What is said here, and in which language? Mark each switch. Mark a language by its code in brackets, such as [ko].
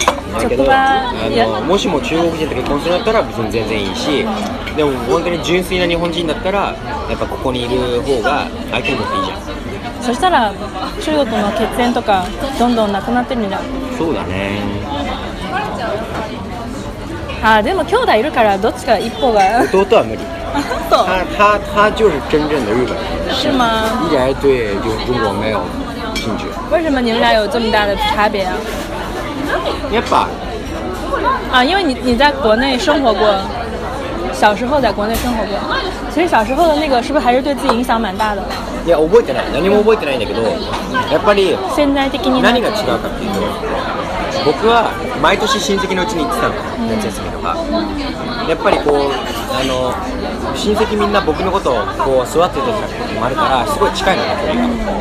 [ja] だけど、もしも中国人と結婚するんだったら別に全然いいし、でも本当に純粋な日本人だったらやっぱここにいる方が相手にとっていいじゃん。そしたら中国の血縁とかどんどんなくなってるんじゃん。そうだね。あ、でも兄弟いるからどっちか一方が。弟は無理。本 [zh] 当。他就是真正的日本人。是吗？一点对就中国没有兴趣。为什么你们俩有这么大的差别啊？ [ja] やっぱ。 [zh] 啊，因为你在国内生活过，小时候在国内生活过，其实小时候的那个是不是还是对自己影响蛮大的？ [ja] いや覚えてない、何も覚えてないんだけど、やっぱり潜在的に何が違うかっていうと、僕は毎年親戚のうちに行ってたの、夏休みとか。やっぱりこう親戚みんな僕のことをこう座ってたこともあるからすごい近いのだと。